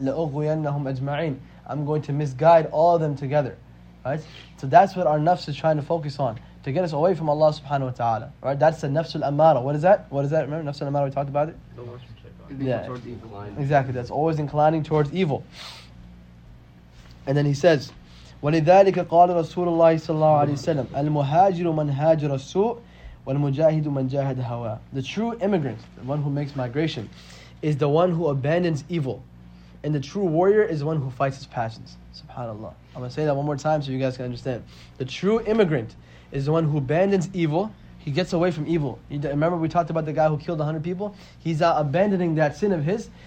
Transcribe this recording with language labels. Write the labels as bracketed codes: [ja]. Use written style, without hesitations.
[ar] لَأُغْوِيَنَّهُمْ أَجْمَعِينَ. [en] I'm going to misguide all of them together. Right? So that's what our nafs is trying to focus on, to get us away from Allah subhanahu wa ta'ala. Right? That's the nafs al-ammara. What is that? Remember nafs al-ammara, we talked about it? Yeah. Exactly. That's always inclining towards evil. And then he says, [ar] ولذلك قال رسول الله صلى الله عليه وسلم المهاجر من هاجر السوء والمجاهد من جاهد هواه. [en] The true immigrant, the one who makes migration, is the one who abandons evil. And the true warrior is the one who fights his passions. SubhanAllah. I'm going to say that one more time so you guys can understand. The true immigrant is the one who abandons evil. He gets away from evil. Remember we talked about the guy who killed 100 people? He's abandoning that sin of his.